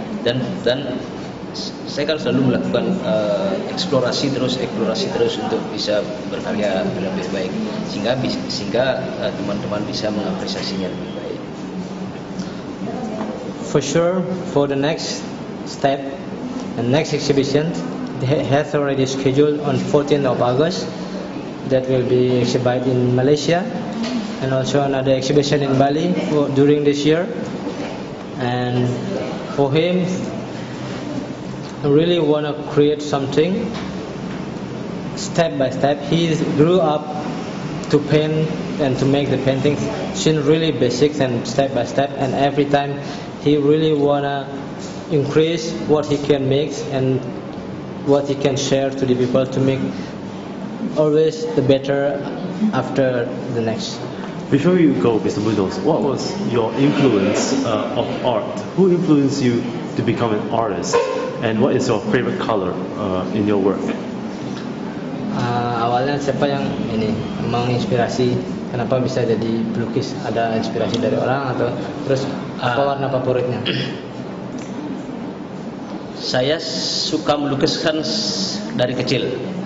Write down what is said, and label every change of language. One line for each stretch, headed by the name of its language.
Indonesian: Dan saya kan selalu melakukan eksplorasi terus untuk bisa berkarya lebih baik, sehingga teman-teman bisa mengapresiasinya lebih baik.
English: For sure, for the next step and next exhibition, they have already scheduled on 14th of August. That will be exhibited in Malaysia, and also another exhibition in Bali during this year. And for him, I really want to create something step by step. He grew up to paint and to make the paintings since really basics and step by step, and every time he really want to increase what he can make and what he can share to the people to make always the better after the next. Before you go, Mr. Bonus, what was your influence of art? Who influenced you to become an artist? And what is your favorite color in your work?
Indonesian: Awalnya siapa yang ini menginspirasi? Kenapa bisa jadi pelukis? Ada inspirasi dari orang atau terus apa warna favoritnya? Saya suka melukiskan dari kecil.